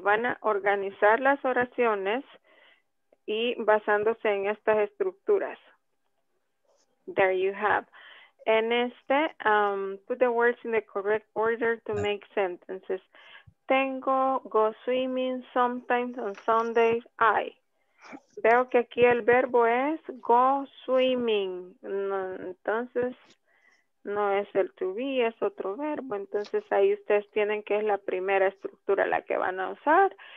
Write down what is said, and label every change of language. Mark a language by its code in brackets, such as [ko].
[es] Van a organizar las oraciones y basándose en estas estructuras. [en] There you have. [es] En este, [en] put the words in the correct order to make sentences. [es] Tengo, [en] go swimming, sometimes on Sundays, I. [es] Veo que aquí el verbo es go swimming. Entonces... No es el to be, es otro verbo. Entonces ahí ustedes tienen que es la primera estructura la que van a usar.